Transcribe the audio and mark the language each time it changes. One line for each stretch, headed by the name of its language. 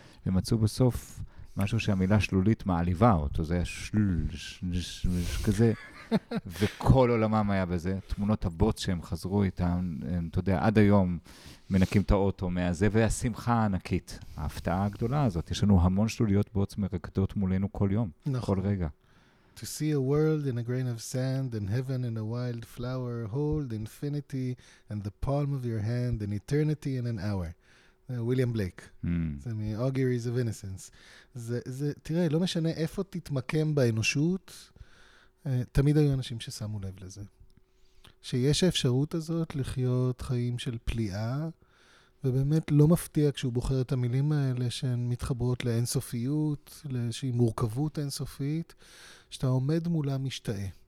Hebrew: הם מצאו בסוף משהו שהמילה שלולית מעליבה אותו, זה היה שלולש כזה. וכל עולמם היה בזה. תמונות הבוץ שהם חזרו איתם, הם, אתה יודע, עד היום מנקים את האוטו מהזה, והשמחה הענקית, ההפתעה הגדולה הזאת. יש לנו המון שלוליות בוץ מרקדות מולנו כל יום, כל רגע.
English: To see a world in a grain of sand and heaven in a wild flower, hold infinity and the palm of your hand and eternity in an hour. וויליאם בלייק.
Hebrew: זה מ-Auguries of Innocence. תראה, לא משנה איפה תתמקם באנושות, תמיד היו אנשים ששמו לב לזה. שיש האפשרות הזאת לחיות חיים של פליאה, ובאמת לא מפתיע כשהוא בוחר את המילים האלה שהן מתחברות לאינסופיות, לאיזושהי מורכבות אינסופית, שאתה עומד מולה משתאה.